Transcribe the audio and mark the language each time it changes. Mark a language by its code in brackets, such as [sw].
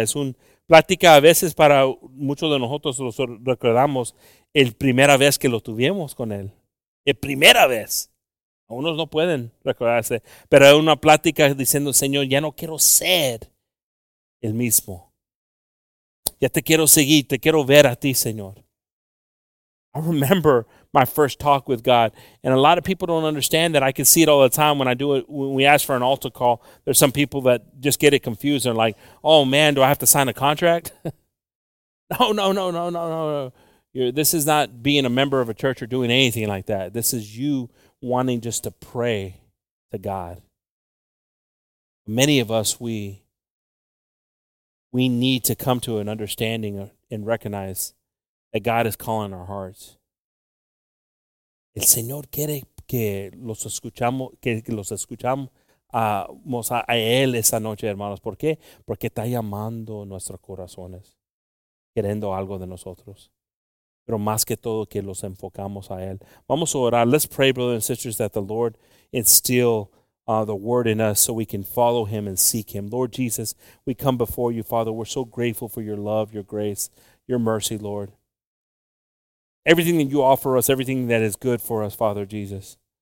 [es] Es una plática a veces para muchos de nosotros los recordamos el primera vez que lo tuvimos con Él. El primera vez. Algunos no pueden recordarse, pero es una plática diciendo, Señor, ya no quiero ser el mismo. Ya te quiero seguir, te quiero ver a ti, Señor. [en] I remember my first talk with God, and a lot of people don't understand that. I can see it all the time when I do it, when we ask for an altar call. There's some people that just get it confused and like, oh man, do I have to sign a contract? No. This is not being a member of a church or doing anything like that. This is you wanting just to pray to God. Many of us, we need to come to an understanding and recognize that God is calling our hearts. [es] El Señor quiere que los escuchamos a Él esa noche, hermanos. ¿Por qué? Porque está llamando nuestros corazones, queriendo algo de nosotros. Pero más que todo que los enfocamos a Él. Vamos a orar. [en] Let's pray, brothers and sisters, that the Lord instill the word in us so we can follow Him and seek Him. Lord Jesus, we come before You, Father. We're so grateful for Your love, Your grace, Your mercy, Lord. Everything that You offer us, everything that is good for us, Father Jesus.